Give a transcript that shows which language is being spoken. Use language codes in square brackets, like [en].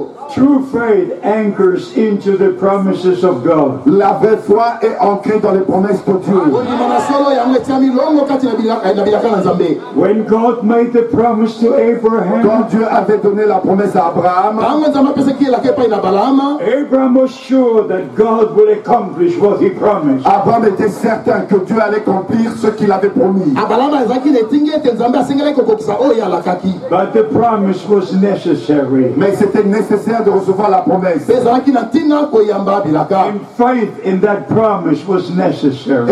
[en] True faith anchors into the promises of God. [fr] La vraie foi est ancrée dans les promesses de Dieu. [en] When God made the promise to Abraham, [fr] quand Dieu avait donné la promesse à Abraham, [en] Abraham was sure that God would accomplish what he promised. [fr] Abraham était certain que Dieu allait accomplir ce qu'il avait promis. economy. [en] But the promise was necessary. [fr] Mais c'était nécessaire de recevoir la promesse. [en] And faith in that promise was necessary.